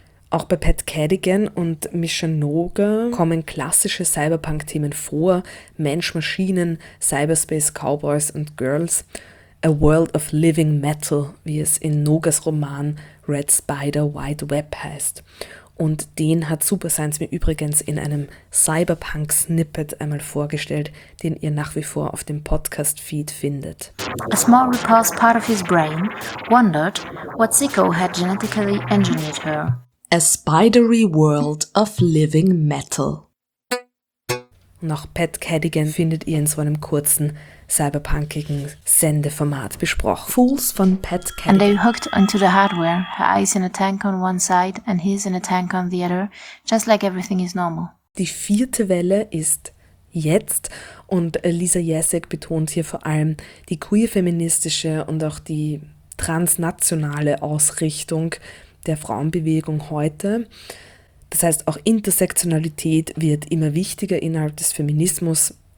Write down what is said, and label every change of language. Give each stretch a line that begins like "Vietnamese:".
German: Auch bei Pat Cadigan und Misha Noga kommen klassische Cyberpunk-Themen vor: Mensch, Maschinen, Cyberspace, Cowboys und Girls.
English: A World of Living Metal,
German: wie es in Nogas Roman Red Spider, White Web heißt. Und den hat Super Science mir übrigens in einem Cyberpunk-Snippet einmal vorgestellt, den ihr nach wie vor auf dem Podcast-Feed findet.
English: A small repulse part of his brain wondered what Zico had genetically engineered her. A spidery world of living metal.
German: Noch Pat Cadigan findet ihr in so einem kurzen cyberpunkigen Sendeformat besprochen. Fools von Pat Cadigan.
English: And they hooked into the hardware, her eyes in a tank on one side and his in a tank on the other, just like everything is normal.
German: Die vierte Welle ist jetzt und Liza Yesick betont hier vor allem die queer-feministische und auch die transnationale Ausrichtung der Frauenbewegung heute. Das heißt, auch Intersektionalität wird immer wichtiger innerhalb des Feminismus.